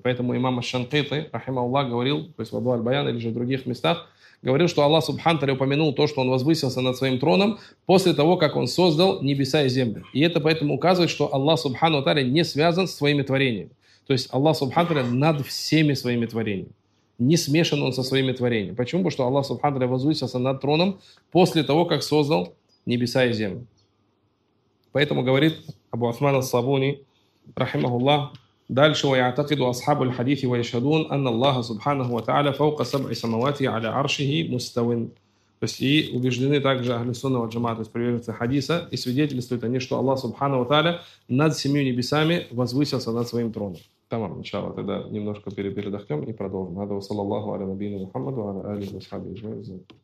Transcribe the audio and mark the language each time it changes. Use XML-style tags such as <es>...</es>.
<ru>Поэтому имам Аш-Шанкити, рахима Аллах, говорил, то есть в Абу аль-Баян или же в других местах, говорил, что Аллах Субхану Таля упомянул то, что он возвысился над своим троном после того, как он создал небеса и землю. И это поэтому указывает, что Аллах Субхану Таля не связан с своими творениями. То есть Аллах Субхану Таля над всеми своими творениями. Не смешан он со своими творениями. Почему? Потому что Аллах Субхану Таля возвысился над троном после того, как создал небеса и землю. Поэтому говорит Абу Усман ас-Сабуни, рахимахуллах, дальше</ru> <ar>ويعتقدوا أصحاب الحديث ويشهدون أن الله سبحانه وتعالى فوق سبع سماوات على عرشه مستوى.</ar> <ru>То есть и убеждены также Ахли Сунна ва Джамаат, то есть приверженцы хадиса, и свидетельствуют они, что Аллах Субхану ва Тааля над семью небесами возвысился над своим троном. Тамам, начало, тогда немножко передохнем и продолжим. Надо,</ru> <ar>саллаллаху аля набиина Мухаммаду, аля алихи ва асхабихи.</ar>